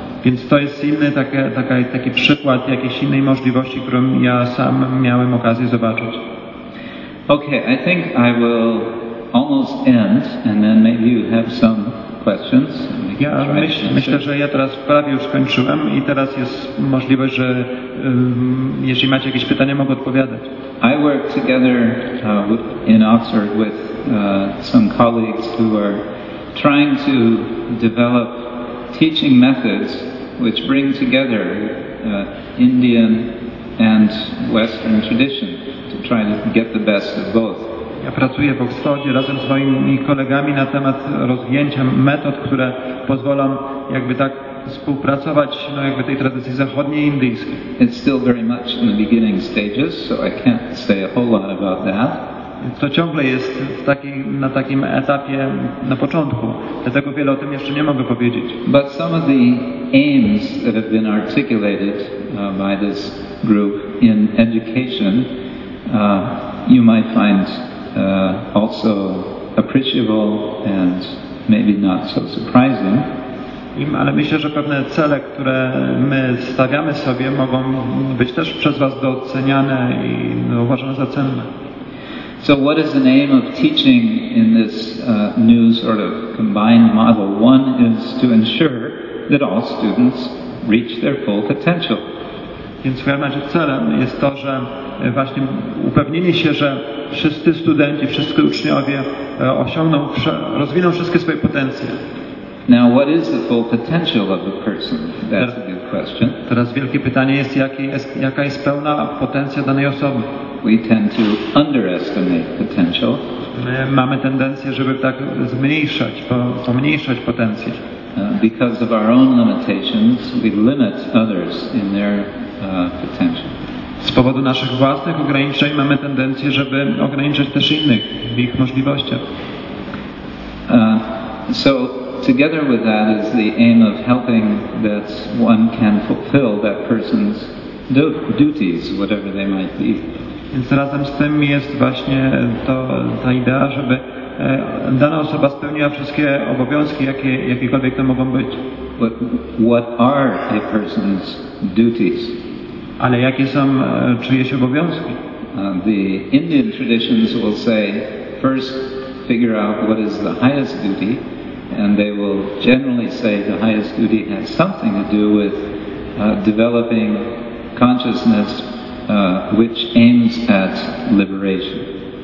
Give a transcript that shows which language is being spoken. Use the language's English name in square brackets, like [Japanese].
[Polish] Więc to jest inny taki przykład jakiejś innej możliwości, którą ja sam miałem okazję zobaczyć. [English] Okay, I think I will almost end, and then maybe you have some questions. [Polish] Myślę, że ja teraz prawie już skończyłem i teraz jest możliwość, że jeśli macie jakieś pytania, mogę odpowiadać. [English] I work together in Oxford with some colleagues who are trying to develop teaching methods which bring together Indian and Western tradition to try to get the best of both. [Polish] Ja pracuję w Oxfordzie razem z moimi kolegami na temat rozwinięcia metod, które pozwolą jakby tak współpracować jakby tej tradycji zachodniej i indyjskiej. [English] It's still very much in the beginning stages, so I can't say a whole lot about that. [Polish] To ciągle jest na takim etapie na początku, dlatego wiele o tym jeszcze nie mogę powiedzieć. [English] But some of the aims that have been articulated by this group in education you might find also appreciable and maybe not so surprising. [Polish] Ale myślę, że pewne cele, które my stawiamy sobie, mogą być też przez was doceniane i uważane za cenne. [English] So what is the aim of teaching in this new sort of combined model? One is to ensure that all students reach their full potential. [Polish] Więc w Harvardzie celem jest to, że właśnie upewnienie się, że wszyscy studenci, wszyscy uczniowie osiągną, rozwiną wszystkie swoje potencje. [English] Now, what is the full potential of a person? That's a good question. [Polish] Teraz wielkie pytanie jest, jaka jest pełna potencja danej osoby. [English] We tend to underestimate potential. [Polish] My mamy tendencję, żeby tak zmniejszać, pomniejszać potencję. [English] Because of our own limitations, we limit others in their potential. [Polish] Z powodu naszych własnych ograniczeń mamy tendencję, żeby ograniczać też innych w ich możliwościach. [English] So together with that is the aim of helping that one can fulfill that person's duties, whatever they might be. [Polish] Więc razem z tym jest właśnie to, ta idea, żeby dana osoba spełniła wszystkie obowiązki, jakiekolwiek to mogą być. [English] But what are a person's duties? [Polish] Ale jakie są czyjeś obowiązki? [English] The Indian traditions will say, first figure out what is the highest duty, and they will generally say the highest duty has something to do with developing consciousness which aims at liberation.